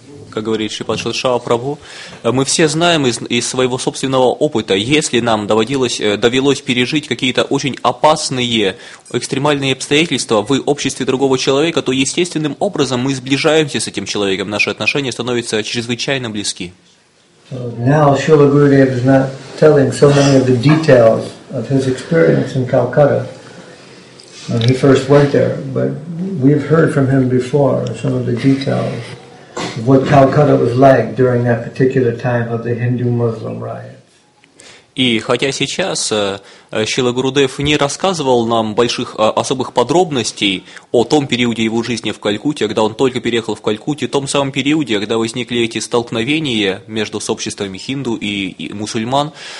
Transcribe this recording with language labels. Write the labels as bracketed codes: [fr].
[ru] Как говорит Шрила Шрила Прабху, мы все знаем из своего собственного опыта, если нам довелось пережить какие-то очень опасные, экстремальные обстоятельства в обществе другого человека, то естественным образом мы сближаемся с этим человеком, наши отношения становятся чрезвычайно близки. [en] What Calcutta was like during that particular time of the Hindu-Muslim riots. [ru] И хотя сейчас Шрила Гурудев не рассказывал нам больших особых подробностей о том периоде его жизни в Калькутте, когда он только переехал в Калькутте, том самом периоде, когда возникли эти столкновения между сообществами хинду и мусульман.